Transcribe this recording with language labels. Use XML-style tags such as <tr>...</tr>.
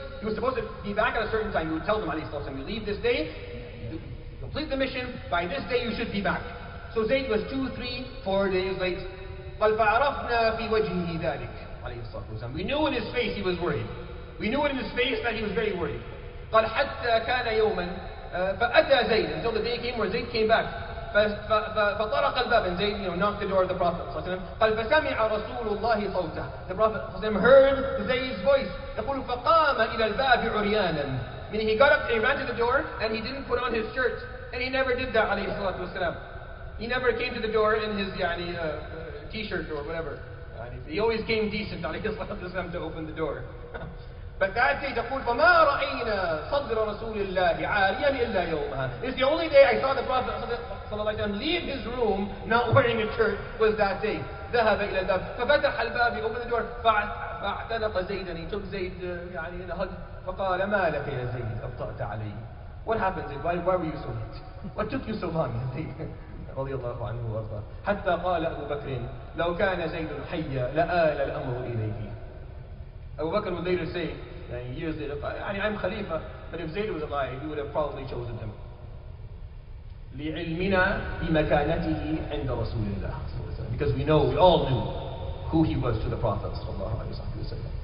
<en>He was supposed to be back at a certain time. He would tell them,</en> <ar>عليه الصلاة والسلام,</ar> <en>you leave this day, complete the mission, by this day you should be back. So Zayd was 2, 3, 4 days late.</en> <ar>فعرفنا في وجهه ذلك عليه الصلاة والسلام.</ar> <en>We knew in his face he was worried. We knew it in his face that he was very worried.</en> <ar>قال حتى كان يوما فأتى زيد.</ar> <en>Until the day came where Zayd came back.</en> <ar>فطرق الباب.</ar> <en>And Zayd, knocked the door of the Prophet.</en> <ar>قال فسمع رسول الله صوته.</ar> <en>The Prophet heard Zayd's voice.</en> <ar>يقول فقام إلى الباب عريانا.</ar> <en>Meaning he got up and he ran to the door and he didn't put on his shirt. And he never did that,</en> <ar>عليه الصلاة والسلام.</ar> <en>He never came to the door in his t-shirt or whatever. He always came decent,</en> <ar>عليه الصلاة والسلام,</ar> <en>to open the door. But that day,</en> <ar>تقول فما رأينا صدر رسول الله عاريا إلا يومها.</ar> <en>It's the only day I saw the Prophet</en> <ar>صلى الله عليه وسلم</ar> <en>leave his room not wearing a shirt was that day.</en> <ar>ذهب إلى الباب. ففتح الباب.</ar> <en>He opened the door.</en> <ar>فاعتنق زيدا.</ar> <en>He took Zayd in a hug.</en> <ar>فقال ما لك يا زيد أبطأت علي.</ar> <en>What happened, Zayd? Why were you so late? What took you so long, Zayd?</en> <ar>رضي الله عنه وارضاه. حتى قال أبو بكر لو كان زيد حيا لآل الأمر إليه.</ar> <en>Abu Bakr would later say, years later, I'm Khalifa, but if Zayd was alive, he would have probably chosen him.</en> <ar>لِعِلْمِنَا بِمَكَانَتِهِ عِنْدَ رَسُولِ اللَّهِ.</ar> <en>Because we know, we all knew who he was to the Prophet ﷺ.</en>